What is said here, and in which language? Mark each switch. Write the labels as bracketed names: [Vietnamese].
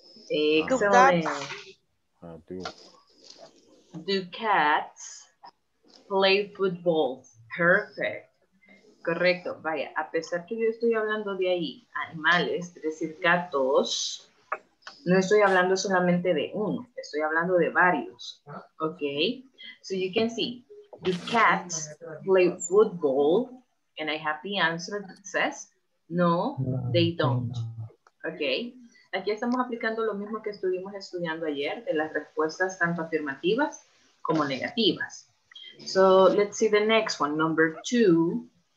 [English] Excellent. Do cats play football? Perfect. [Spanish] Correcto. Vaya, a pesar que yo estoy hablando de ahí, animales, es decir, gatos, no estoy hablando solamente de uno, estoy hablando de varios. Ok. [English] So you can see, do cats play football? And I have the answer that says, no, they don't. Ok. [Spanish] Aquí estamos aplicando lo mismo que estuvimos estudiando ayer, de las respuestas tanto afirmativas como negativas. [English] So let's see the next one, number two.